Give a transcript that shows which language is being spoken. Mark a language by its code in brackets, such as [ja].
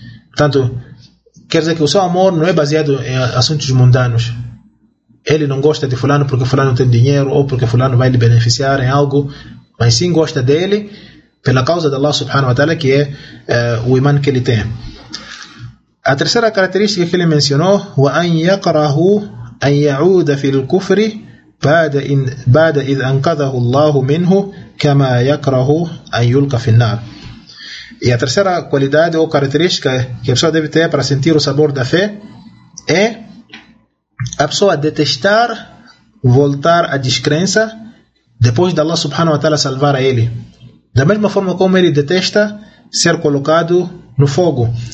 [pt] Portanto, quer dizer que o seu amor não é baseado em assuntos mundanos. Ele não gosta de fulano porque fulano tem dinheiro ou porque fulano vai lhe beneficiar em algo, mas sim gosta dele pela causa de Allah subhanahu wa ta'ala, que é o imã que ele tem. A terceira característica que ele mencionou: [ar] وَأَنْ يَقْرَهُ أَنْ يَعُودَ فِي الْكُفْرِ بعد إذ أنقذه الله منه كما يكره أن يلقى في النار. [pt] E a terceira qualidade ou característica que a pessoa deve ter para sentir o sabor da fé é a pessoa detestar voltar à descrença depois de Allah subhanahu wa ta'ala salvar a ele. Da mesma forma como ele detesta ser colocado no fogo.